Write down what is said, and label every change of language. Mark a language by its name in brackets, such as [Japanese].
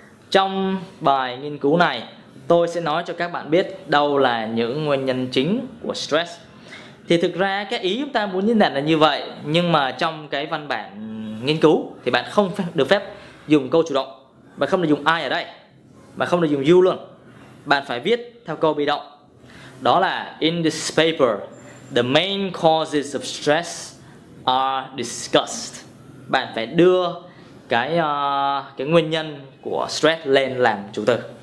[Vietnamese] Trong bài nghiên cứu này, tôi sẽ nói cho các bạn biết đâu là những nguyên nhân chính của stress. Thì thực ra cái ý chúng ta muốn nhấn mạnh là như vậy, nhưng mà trong cái văn bản nghiên cứu thì bạn không được phép dùng câu chủ động. Bạn không được dùng I ở đây, bạn không được dùng you luôn. Bạn phải viết theo câu bị động. Đó là [English] in this paper, the main causes of stress are discussed. [Vietnamese] Bạn phải đưa cái nguyên nhân của stress lên làm chủ từ.